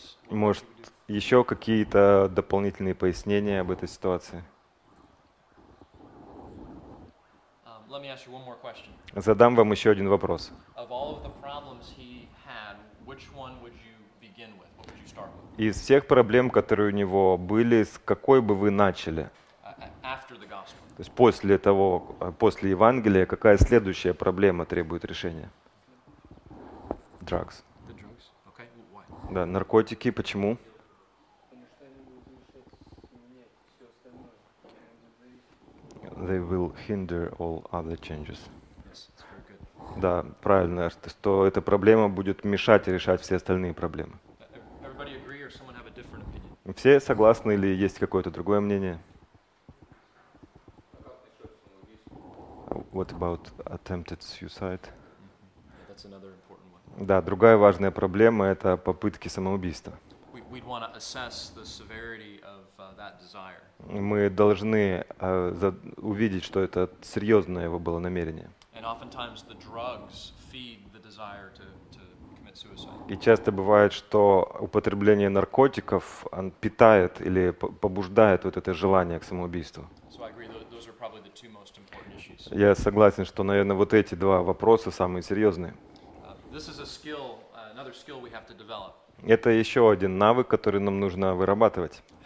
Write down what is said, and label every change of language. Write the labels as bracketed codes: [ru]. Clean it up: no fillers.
[ru] Может, еще какие-то дополнительные пояснения об этой ситуации? [en] Let me ask you one more question. [ru] Задам вам еще один вопрос. [en] Of all of the problems he had, which one would you begin with? What would you start with? [ru] Из всех проблем, которые у него были, с какой бы вы начали? [en] After the gospel. [ru] То есть после того, после Евангелия, какая следующая проблема требует решения? [en] Drugs. The drugs? Okay. Why? [ru] Да, наркотики. Почему? [en] They will hinder all other changes. Yes, that's very good. [ru] Да, правильно, что эта проблема будет мешать решать все остальные проблемы. [en] Everybody agree or someone have a different opinion? [ru] Все согласны или есть какое-то другое мнение? [en] What about attempted suicide? Yeah, that's another important one. [ru] Да, другая важная проблема – это попытки самоубийства. [en] We'd want to assess the severity of that desire. [ru] Мы должны увидеть, что это серьезное его было намерение. [en] And oftentimes the drugs feed the desire to commit suicide. [ru] И часто бывает, что употребление наркотиков питает или побуждает вот это желание к самоубийству. [en] So I agree, those are probably the two most important issues. [ru] Я согласен, что, наверное, вот эти два вопроса самые серьезные. [en] This is a skill, another skill we have to develop. [ru] Это еще один навык, который нам нужно вырабатывать.